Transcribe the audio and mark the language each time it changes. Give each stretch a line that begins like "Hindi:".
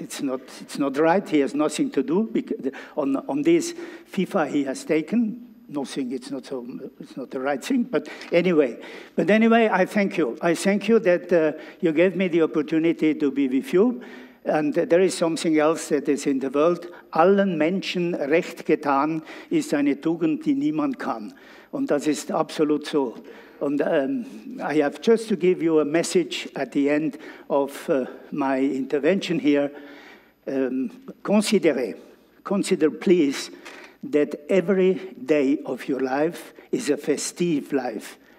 English: It's not right. He has nothing to do on this FIFA he has taken. Nothing. It's not the right thing. But anyway, I thank you. I thank you that you gave me the opportunity to be with you. And there is something else that is in the world.
German: Allen Menschen Recht getan ist eine Tugend, die niemand kann. Und das ist absolut so.
English: And I have just to give you a message at the end of my intervention here. Consider please that every day of your life is a festive life.